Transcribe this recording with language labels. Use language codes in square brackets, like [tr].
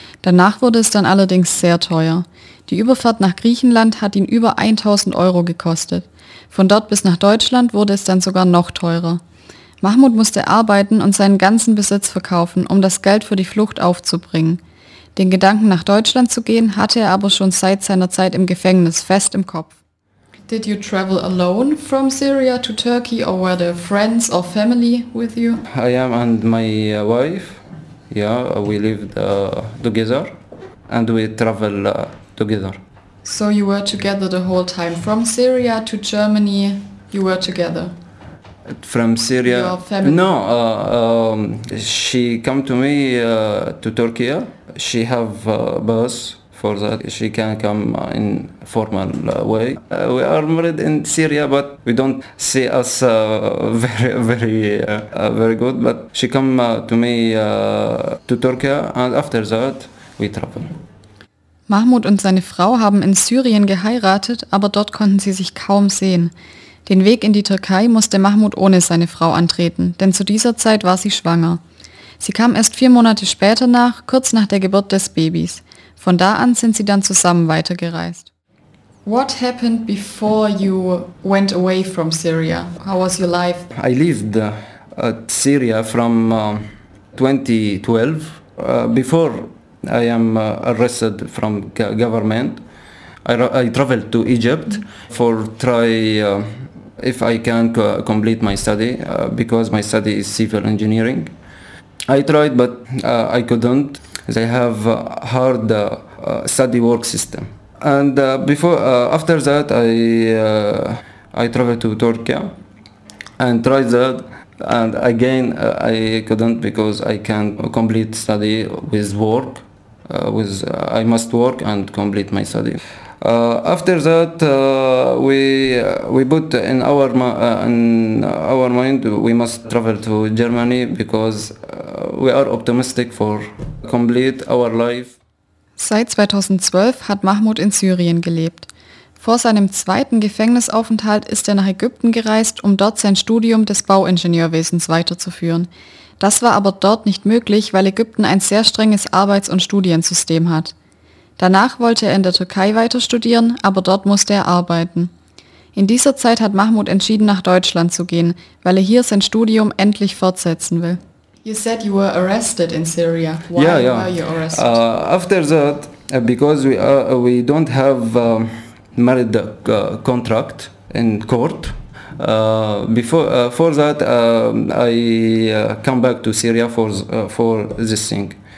[de] Danach wurde es dann allerdings sehr teuer. Die Überfahrt nach Griechenland hat ihn über 1.000 Euro gekostet. Von dort bis nach Deutschland wurde es dann sogar noch teurer. Mahmoud musste arbeiten und seinen ganzen Besitz verkaufen, um das Geld für die Flucht aufzubringen. Den Gedanken, nach Deutschland zu gehen, hatte er aber schon seit seiner Zeit im Gefängnis fest im Kopf. [en] Did you travel alone from Syria to Turkey or were there friends or family with you? I am and my wife. Yeah, we lived together and we travel together. So you were together the whole time from Syria to Germany, you were together? From Syria? Your family? No, she come to me to Turkey. She have a bus for that. She can come in formal way. We are married in Syria, but we don't see us very good. But she come to me to Turkey, and after that we travel. [de] Mahmud und seine Frau haben in Syrien geheiratet, aber dort konnten sie sich kaum sehen. Den Weg in die Türkei musste Mahmud ohne seine Frau antreten, denn zu dieser Zeit war sie schwanger. Sie kam erst 4 Monate später nach, kurz nach der Geburt des Babys. Von da an sind sie dann zusammen weitergereist. [en] What happened before you went away from Syria? How was your life? I lived Syria from 2012. Before I am arrested from government, I traveled to Egypt for try if I can complete my study, because my study is civil engineering. I tried, but I couldn't. They have hard study work system. And after that, I traveled to Turkey and tried that. And again, I couldn't because I can't complete study with work. I must work and complete my study. After that, we put in our mind we must travel to Germany because we are optimistic for complete our life. [de] Seit 2012 hat Mahmud in Syrien gelebt. Vor seinem zweiten Gefängnisaufenthalt ist er nach Ägypten gereist, um dort sein Studium des Bauingenieurwesens weiterzuführen. Das war aber dort nicht möglich, weil Ägypten ein sehr strenges Arbeits- und Studiensystem hat. Danach wollte er in der Türkei weiter studieren, aber dort musste er arbeiten. In dieser Zeit hat Mahmud entschieden, nach Deutschland zu gehen, weil er hier sein Studium endlich fortsetzen will. [en] You said you were arrested in Syria. Why were you arrested? After that, because we don't have a married contract in court. For that, I come back to Syria for this thing.